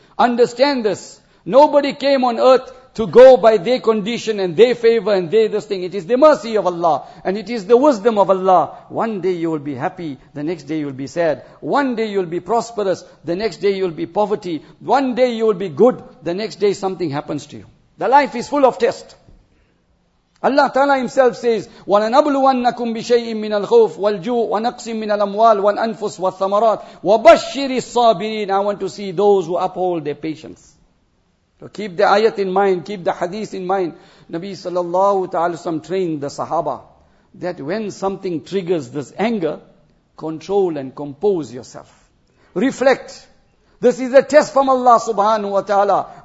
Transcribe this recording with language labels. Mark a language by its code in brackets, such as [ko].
[en] Understand this. Nobody came on earth to go by their condition and their favor and their this thing. It is the mercy of Allah and it is the wisdom of Allah. One day you will be happy, the next day you will be sad. One day you will be prosperous, the next day you will be poverty. One day you will be good, the next day something happens to you. The life is full of tests. Allah Ta'ala Himself says, [ar] وَلَنَبْلُوَنَّكُمْ بِشَيْءٍ مِّنَ الْخَوْفِ وَالْجُوءِ وَنَقْصٍ مِّنَ الْأَمْوَالِ وَالْأَنفُسِ وَالثَّمَرَاتِ وَبَشِّرِ الصَّابِرِينَ. [en] I want to see those who uphold their patience. So keep the ayat in mind, keep the hadith in mind. Nabi sallallahu ta'ala wasallam trained the sahaba that when something triggers this anger, control and compose yourself. Reflect. This is a test from Allah subhanahu wa ta'ala.